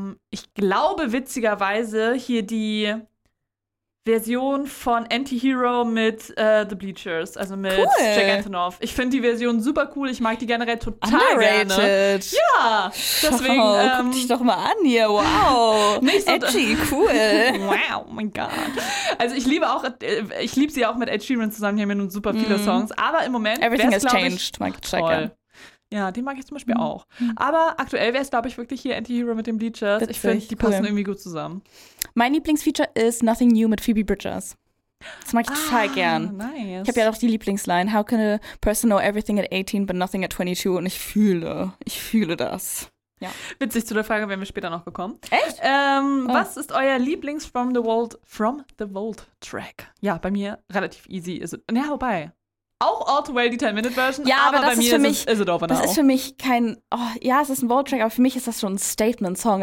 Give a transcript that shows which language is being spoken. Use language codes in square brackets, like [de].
[de] Ich glaube witzigerweise hier die Version von Anti-Hero mit The Bleachers, also mit Jack Antonoff. Ich finde die Version super cool, ich mag die generell total underrated. Ja, deswegen. Wow, guck dich doch mal an hier, wow. Edgy, cool. Wow, mein Gott. Also ich liebe sie auch mit Ed Sheeran zusammen, hier haben wir nun super viele Songs, aber im Moment. [en] Everything has changed, Michael Checker. [de] Ja, den mag ich zum Beispiel auch. Aber aktuell wäre es, glaube ich, wirklich hier Anti-Hero mit dem Bleachers. Ich finde, die passen irgendwie gut zusammen. Mein Lieblingsfeature ist Nothing New mit Phoebe Bridgers. Das mag ich total gern. Nice. Ich habe ja doch die Lieblingsline. [en] How can a person know everything at 18 but nothing at 22? [de] Und ich fühle das. Ja. Witzig, zu der Frage werden wir später noch gekommen. Echt? Was ist euer Lieblings-From-the-Vault-Track? Ja, bei mir relativ easy. Auch All Too Well, die 10-Minute-Version, ja, aber bei ist mir für mich, ist it over now. Das ist für mich kein, es ist ein Vault-Track, aber für mich ist das schon ein Statement-Song.